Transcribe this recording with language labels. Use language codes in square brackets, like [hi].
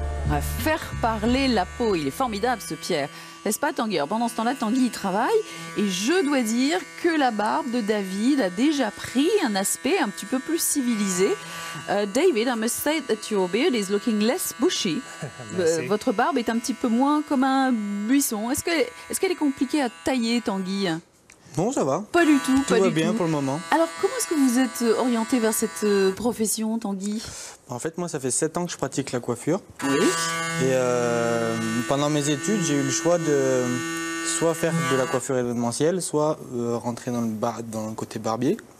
[fr] À faire parler la peau, il est formidable ce Pierre, n'est-ce pas Tanguy? Pendant ce temps-là, Tanguy y travaille et je dois dire que la barbe de David a déjà pris un aspect un petit peu plus civilisé. [en] David, I must say that your beard is looking less bushy. [fr] Votre barbe est un petit peu moins comme un buisson. Est-ce qu'elle est compliquée à tailler, Tanguy? Non, ça va. Pas du tout. Tout va bien pour le moment. Alors, comment est-ce que vous êtes orienté vers cette profession, Tanguy? En fait, moi, ça fait 7 ans que je pratique la coiffure. Oui. Et pendant mes études, j'ai eu le choix de soit faire de la coiffure événementielle, soit rentrer dans le côté barbier.